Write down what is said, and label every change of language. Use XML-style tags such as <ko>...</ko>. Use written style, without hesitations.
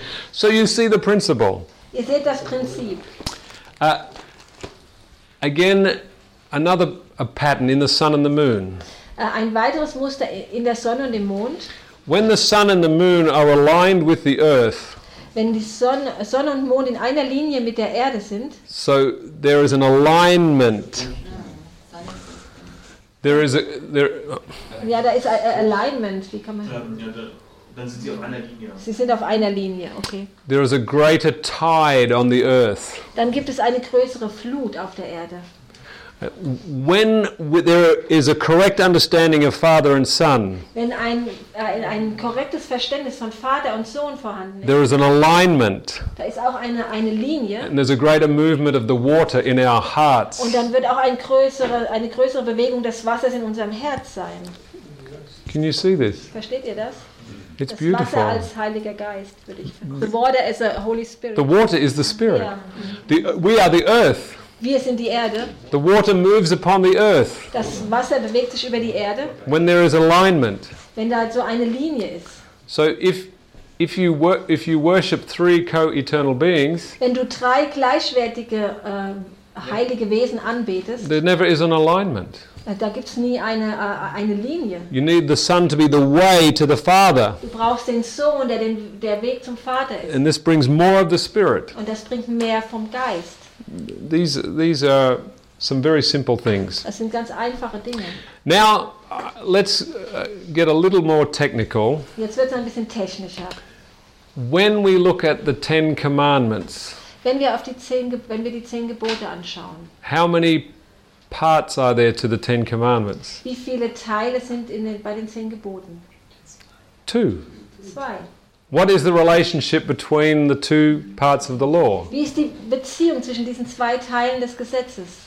<en>So you see the principle.</en> <de>Ihr seht das Prinzip.</de> <en>Again, another a pattern in the sun and the moon.</en> <de>Ein weiteres Muster in der Sonne und im Mond.</de> <en>When the sun and the moon are aligned with the earth.</en> <de>Wenn die Sonne und Mond in einer Linie mit der Erde sind.</de> <en>So there is an alignment. There is a there.</en> <de>Ja, da ist ein Alignment. Wie kann man? Dann sind sie auf einer Linie. Sie sind auf einer Linie, okay.</de> <en>There is a greater tide on the earth.</en> <de>Dann gibt es eine größere Flut auf der Erde.</de> <en>When there is a correct understanding of Father and Son.</en> <de>Wenn ein korrektes Verständnis von Vater und Sohn vorhanden ist.</de> <en>There is an alignment.</en> <de>Da ist auch eine Linie.</de> <en>And there's a greater movement of the water in our hearts.</en> <de>Und dann wird auch eine größere Bewegung des Wassers in unserem Herz sein.</de> <en>Can you see this?</en> <de>Versteht ihr das?</de> <en>It's beautiful.</en> <de>Das Wasser als Heiliger Geist, würde ich sagen.</de> <en>The water is a Holy Spirit. The water is the Spirit.</en> <de>Ja.</de> <en>We are the earth.</en> <de>Wir sind die Erde.</de> <en>The water moves upon the earth.</en> <de>Das Wasser bewegt sich über die Erde.</de> <en>When there is alignment.</en> <de>Wenn da so eine Linie ist.</de> <en>So if you worship three co-eternal beings.</en> <de>Wenn du drei gleichwertige heilige Wesen anbetest.</de> <en>There never is an alignment.</en> <de>Da gibt's nie eine Linie.</de> <en>You need the Son to be the way to the Father.</en> <de>Du brauchst den Sohn, der Weg zum Vater ist.</de> <en>And this brings more of the Spirit.</en> <de>Und das bringt mehr vom Geist.</de> <en>These are some very simple things.</en> <de>Das sind ganz einfache Dinge.</de> <en>Now, let's get a little more technical.</en> <de>Jetzt wird's ein bisschen technischer.</de> <en>When we look at the Ten Commandments.</en> <de>Wenn wir die Zehn Gebote anschauen.</de> <en>How many parts are there to the Ten Commandments?</en> <de>Wie viele Teile sind bei den Zehn Geboten?</de> <en>Two.</en> <de>Zwei.</de> <en>What is the relationship between the two parts of the law?</en> <de>Wie ist die Beziehung zwischen diesen zwei Teilen des Gesetzes?</de>